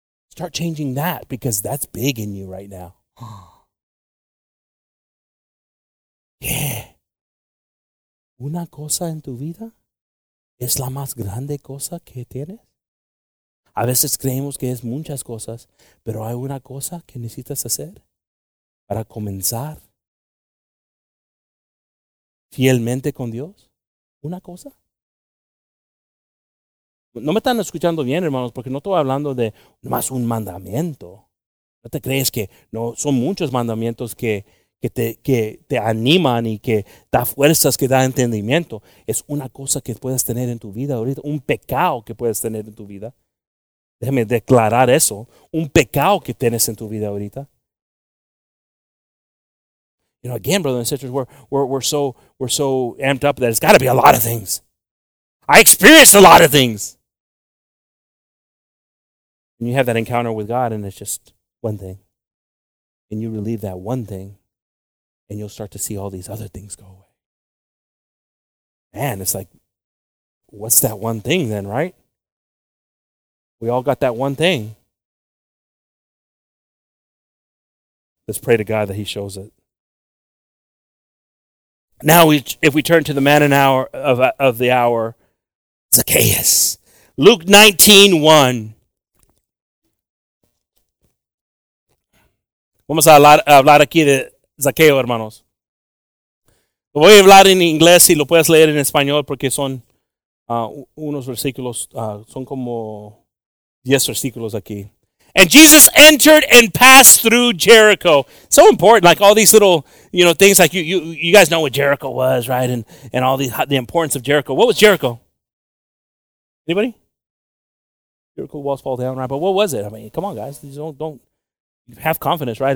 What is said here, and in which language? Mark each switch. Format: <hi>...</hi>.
<en>Start changing that because that's big in you right now. Yeah.</en> <es>Una cosa en tu vida es la más grande cosa que tienes. A veces creemos que es muchas cosas, pero hay una cosa que necesitas hacer para comenzar fielmente con Dios. Una cosa. No me están escuchando bien, hermanos, porque no estoy hablando de más un mandamiento. ¿No te crees que no son muchos mandamientos que te animan y que da fuerzas, que da entendimiento? Es una cosa que puedes tener en tu vida ahorita, un pecado que puedes tener en tu vida. Déjame declarar eso. Un pecado que tienes en tu vida ahorita.</es> <en>You know, again, brothers and sisters, we're so amped up that it's got to be a lot of things. I experienced a lot of things. And you have that encounter with God and it's just one thing. And you relieve that one thing and you'll start to see all these other things go away. Man, it's like, what's that one thing then, right? We all got that one thing. Let's pray to God that he shows it. Now, if we turn to the man of the hour, Zacchaeus. Luke 19:1.</en> <es>Vamos a hablar aquí de Zaqueo, hermanos. Lo voy a hablar en inglés y lo puedes leer en español porque son unos versículos, son como 10 versículos aquí.</es> <en>And Jesus entered and passed through Jericho. So important, like all these little, you know, things like you guys know what Jericho was, right? And all the importance of Jericho. What was Jericho? Anybody? Jericho walls fall down, right? But what was it? I mean, come on, guys. Don't have confidence, right?</en>